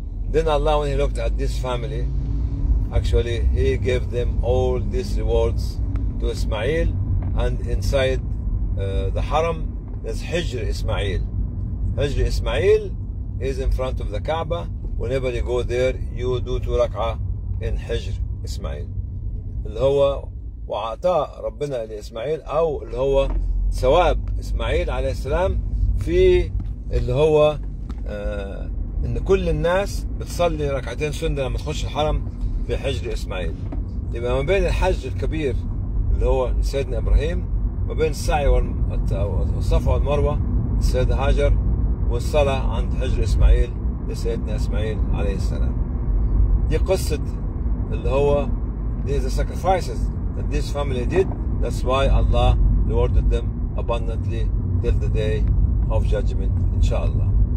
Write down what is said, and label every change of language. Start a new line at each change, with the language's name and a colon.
English: Then Allah, when he looked at this family, actually he gave them all these rewards to Ismail. And inside the haram is Hijr Ismail. Hijr Ismail is in front of the Kaaba. Whenever you go there, you do two rak'ah in Hijr Ismail.
Arabic: اللي هو وعطاء ربنا لإسماعيل أو اللي هو ثواب إسماعيل عليه السلام في اللي هو إن كل الناس بتصلي ركعتين سنة لما تخش الحرم في حجر إسماعيل. يبقى ما بين الحج الكبير اللي هو سيدنا إبراهيم ما بين السعي والصفا والمروة السيدة هاجر والصلاة عند حجر إسماعيل لسيدنا إسماعيل عليه السلام. دي قصة اللي هو
English: these are sacrifices that this family did. That's why Allah rewarded them abundantly till the day of judgment, inshallah.